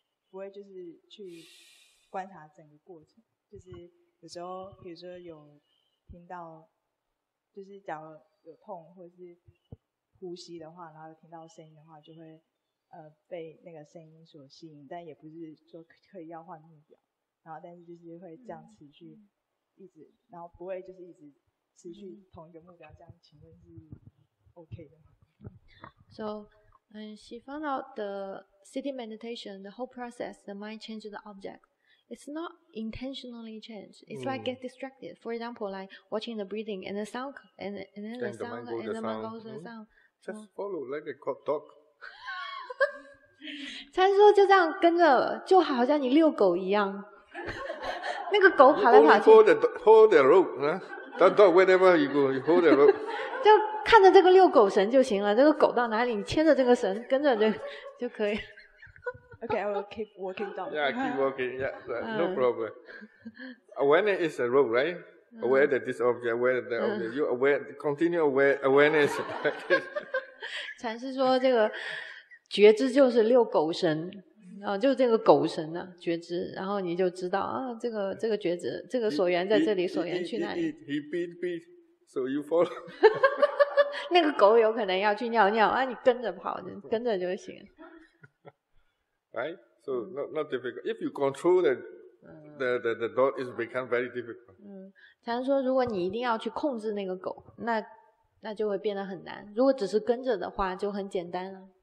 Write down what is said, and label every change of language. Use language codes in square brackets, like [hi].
[zh] 不会就是去观察整个过程，就是有时候比如说有听到就是假如有痛或是呼吸的话，然后听到声音的话就会被那个声音所吸引，但也不是说刻意要换目标，然后但是就是会这样持续一直，然后不会就是一直持续同一个目标，这样请问是 OK 的吗？ [en] So she found out the sitting meditation, the whole process, the mind changes the object. It's not intentionally changed. It's like get distracted. For example, like watching the breathing and the sound, and then the sound, the and the sound. Mind goes the sound. Just follow, like a dog. [zh] 禅师说就这样跟着，就好像你遛狗一样。那个狗跑来跑去。 [en] Hold the rope, huh? That dog, wherever you go, you hold the rope. [zh] 就看着这个遛狗绳就行了，这个狗到哪里你牵着这个绳跟着这个就可以。 [en] OK, I will keep walking down. Yeah, keep walking, yeah, no problem. Awareness is a rope, right? Aware that this object, aware that object. You aware, continue aware, awareness. [zh] 禅师说这个觉知就是遛狗绳。就这个狗神的觉知，然后你就知道啊，这个觉知，这个所缘在这里，所缘去那里。 [en] He beat beat, so you follow. [zh] 那个狗有可能要去尿尿啊，你跟着跑，跟着就行。 [en] Right, so not difficult. If you control the dog, it become very difficult. [zh] 禅师说，如果你一定要去控制那个狗，那就会变得很难。如果只是跟着的话，就很简单了。